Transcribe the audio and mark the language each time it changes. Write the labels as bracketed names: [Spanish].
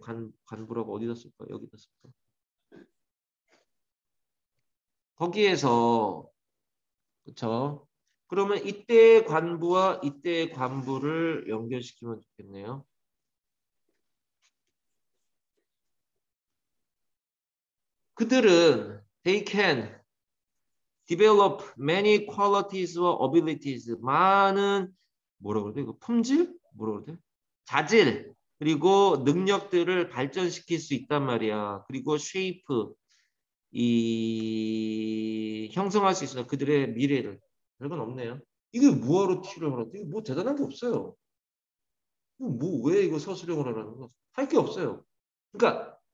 [Korean] 관부라고 어디다 쓸까? 여기다 쓸까? 거기에서 그렇죠. 그러면 이때의 관부와 이때의 관부를 연결시키면 좋겠네요. 그들은 [English] they can develop many qualities or abilities. [Korean] 많은 뭐라고 그래? 이거 품질? 뭐라고 그래? 자질 그리고 능력들을 발전시킬 수 있단 말이야. 그리고 shape 이 형성할 수 있어. 그들의 미래를 별건 없네요. 이게 뭐하러 T를 하라? 이게 뭐 대단한 게 없어요. 뭐 왜 이거 서술형을 하라는 거? 할 게 없어요. 그러니까.